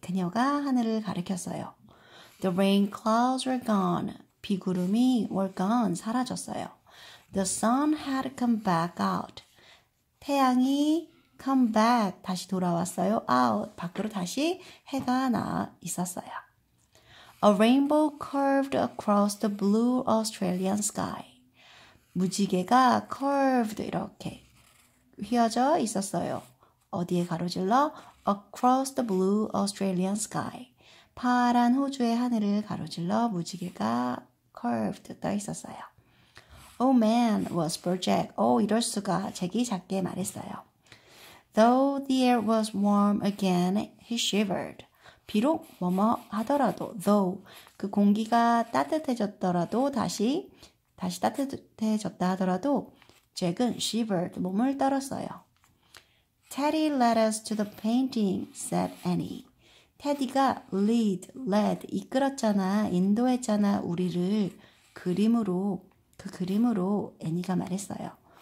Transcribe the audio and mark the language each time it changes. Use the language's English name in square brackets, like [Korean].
[Korean] 그녀가 하늘을 가리켰어요. [English] The rain clouds were gone. [Korean] 비구름이 [English] were gone, [Korean] 사라졌어요. [English] The sun had come back out. [Korean] 태양이 [English] come back, [Korean] 다시 돌아왔어요. out, 밖으로 다시 해가 나 있었어요. [English] A rainbow curved across the blue Australian sky. [Korean] 무지개가 curved 이렇게 휘어져 있었어요. 어디에 가로질러? [English] Across the blue Australian sky. [Korean] 파란 호주의 하늘을 가로질러 무지개가 curved 떠 있었어요. [English] Oh man, whispered Jack. [Korean] 오, 이럴 수가. 잭이 작게 말했어요. [English] Though the air was warm again, he shivered. [Korean] 비록 뭐뭐 하더라도, though, 그 공기가 따뜻해졌더라도, 다시 따뜻해졌다 하더라도, 잭은 shivered, 몸을 떨었어요. [English] Teddy led us to the painting, said Annie. [Korean] 테디가 lead, led, 이끌었잖아, 인도했잖아, 우리를 그림으로, 그 그림으로 애니가 말했어요.